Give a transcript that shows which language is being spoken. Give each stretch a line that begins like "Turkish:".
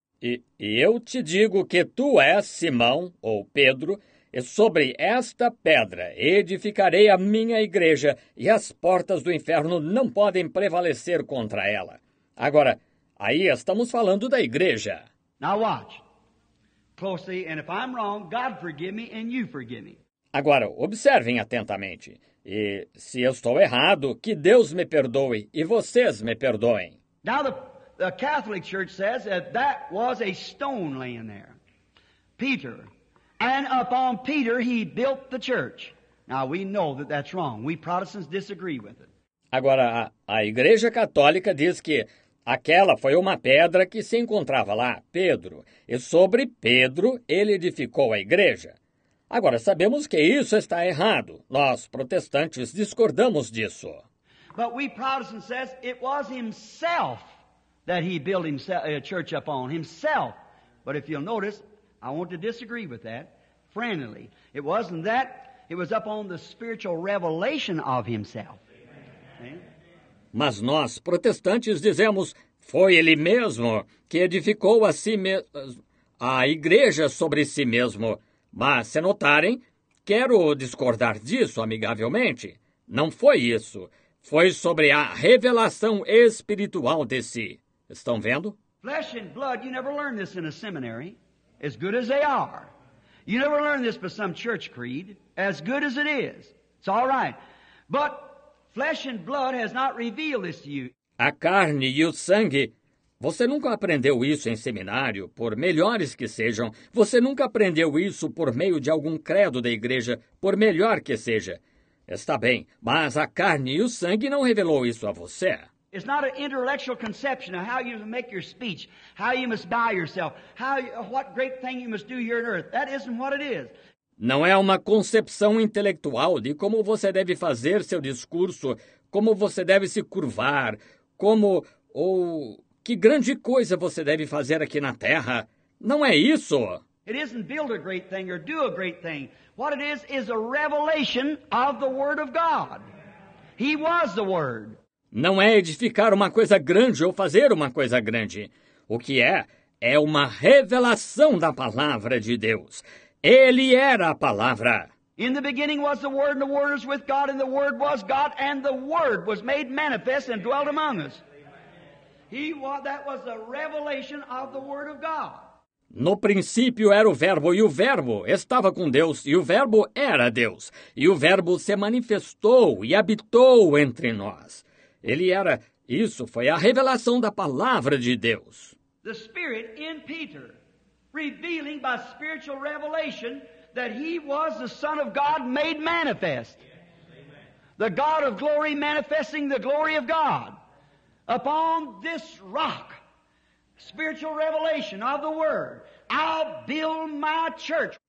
Portuguese: E eu te digo que tu és Simão, ou Pedro, e sobre esta pedra edificarei a minha igreja, e as portas do inferno não podem prevalecer contra ela. Agora, aí estamos falando da igreja.
English: Now watch closely, and if I'm wrong, God forgive me and you forgive me.
Portuguese: Agora, observem atentamente. E se eu estou errado, que Deus me perdoe e vocês me perdoem.
English: Now the Catholic Church says that that was a stone laying there. Peter. And upon Peter he built the church. Now we know that that's wrong. We Protestants disagree with it.
Portuguese: Agora, a Igreja Católica diz que aquela foi uma pedra que se encontrava lá, Pedro. E sobre Pedro ele edificou a igreja. Agora, sabemos que isso está errado. Nós, protestantes, discordamos disso.
English: But we Protestants says it was himself that he built himself, a church upon himself. But if you'll notice, I want to disagree with that, friendly. It wasn't that, it was upon the spiritual revelation of himself.
Portuguese: Mas nós, protestantes, dizemos, foi ele mesmo que edificou a si a igreja sobre si mesmo. Mas, se notarem, quero discordar disso amigavelmente. Não foi isso. Foi sobre a revelação espiritual de si. Estão vendo?
English: Flesh and blood, you never learn this in a seminary, as good as they are. You never learn this by some church creed, as good as it is. It's all right. But flesh and blood has not revealed this to you.
Portuguese: A carne e o sangue. Você nunca aprendeu isso em seminário, por melhores que sejam. Você nunca aprendeu isso por meio de algum credo da igreja, por melhor que seja. Está bem, mas a carne e o sangue não revelou isso a você.
English: It's not an intellectual conception of how you make your speech, how you must bow yourself, what great thing you must do here on earth. That isn't what it is.
Portuguese: Não é uma concepção intelectual de como você deve fazer seu discurso, como você deve se curvar, como ou que grande coisa você deve fazer aqui na Terra. Não é isso.
English: It isn't build a great thing or do a great thing. What it is a revelation of the Word of God. He was the Word.
Portuguese: Não é edificar uma coisa grande ou fazer uma coisa grande. O que é uma revelação da palavra de Deus. Ele era a palavra.
English: In the beginning was the Word, and the Word was with God, and the Word was God, and the Word was made manifest and dwelt among us. That was a revelation of the Word of God.
Portuguese: No princípio era o Verbo, e o Verbo estava com Deus, e o Verbo era Deus. E o Verbo se manifestou e habitou entre nós. Ele era, isso foi a revelação da palavra de Deus.
English: The Spirit in Peter, revealing by spiritual revelation that he was the Son of God made manifest. The God of glory manifesting the glory of God. Upon this rock, spiritual revelation of the Word, I'll build my church.